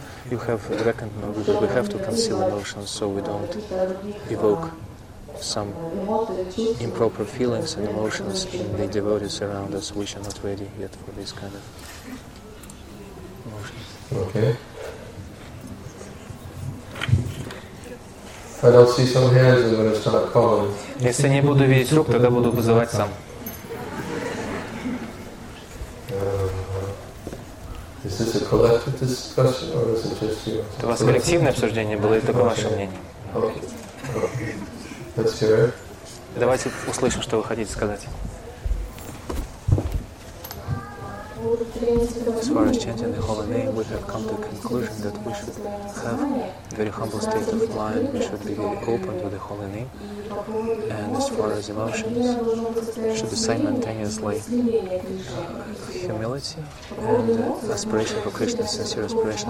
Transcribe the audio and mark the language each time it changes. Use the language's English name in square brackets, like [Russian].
[English] You have reckoned that we have to conceal emotions so we don't evoke some improper feelings and emotions in the devotees around us, which are not ready yet for this kind of emotions. Okay. I don't see some hands, I'm going to start calling. [Russian] Если не буду видеть рук, тогда буду вызывать сам. [English] Is this a collective discussion or is it just you? [Russian] Это у вас коллективное обсуждение было, или только ваше мнение? [English] Okay. Let's hear it. [Russian] Давайте услышим, что вы хотите сказать. [English] As far as chanting the Holy Name, we have come to the conclusion that we should have a very humble state of mind, we should be very open to the Holy Name, and as far as emotions, we should be simultaneously humility and aspiration for Krishna, sincere aspiration.